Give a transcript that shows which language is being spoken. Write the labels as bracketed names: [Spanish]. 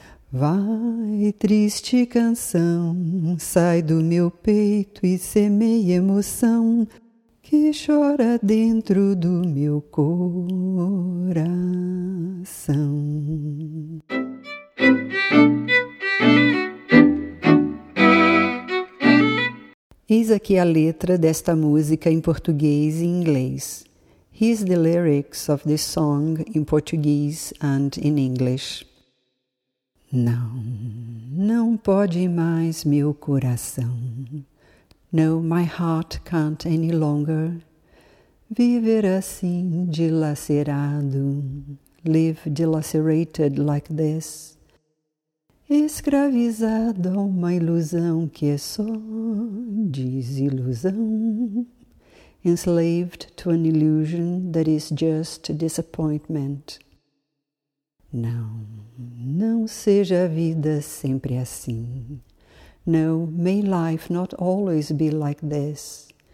[Portuguese] Vai, triste canção, sai do meu peito e semeia emoção que chora dentro do meu coração. Eis aqui a letra desta música em português e inglês. [English] Here's the lyrics of this song in Portuguese and in English. [Portuguese] Não, não pode mais meu coração. [English] No, my heart can't any longer. [Portuguese] Viver assim dilacerado. [English] Live dilacerated like this. [Portuguese] Escravizado a uma ilusão que é só desilusão. [English] Enslaved to an illusion that is just disappointment. [Portuguese] Não, não seja a vida sempre assim. [English] No, may life not always be like this.